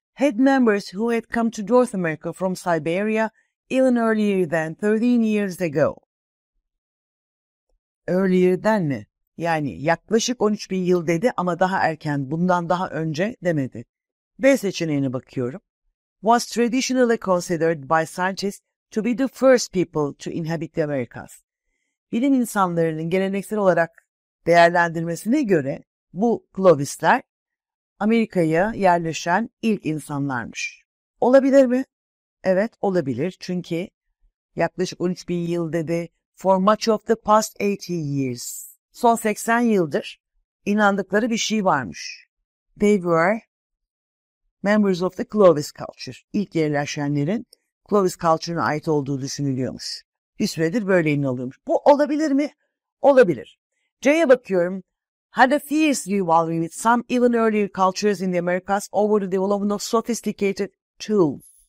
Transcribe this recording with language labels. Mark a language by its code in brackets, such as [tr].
[en] Had members who had come to North America from Siberia even earlier than 13 years ago. [tr] Earlier'den mi? Yani yaklaşık 13 bin yıl dedi ama daha erken, bundan daha önce demedi. B seçeneğine bakıyorum. [en] Was traditionally considered by scientists to be the first people to inhabit the Americas. [tr] Bilim insanlarının geleneksel olarak değerlendirmesine göre bu Clovis'ler Amerika'ya yerleşen ilk insanlarmış. Olabilir mi? Evet, olabilir. Çünkü yaklaşık 13 bin yıl dedi. [en] For much of the past 80 years. [tr] Son 80 yıldır inandıkları bir şey varmış. [en] They were members of the Clovis culture. [tr] İlk yerleşenlerin Clovis culture'ına ait olduğu düşünülüyormuş. Bir süredir böyle inanılıyormuş. Bu olabilir mi? Olabilir. C'ye bakıyorum. [en] Had a fierce rivalry with some even earlier cultures in the Americas over the development of sophisticated tools.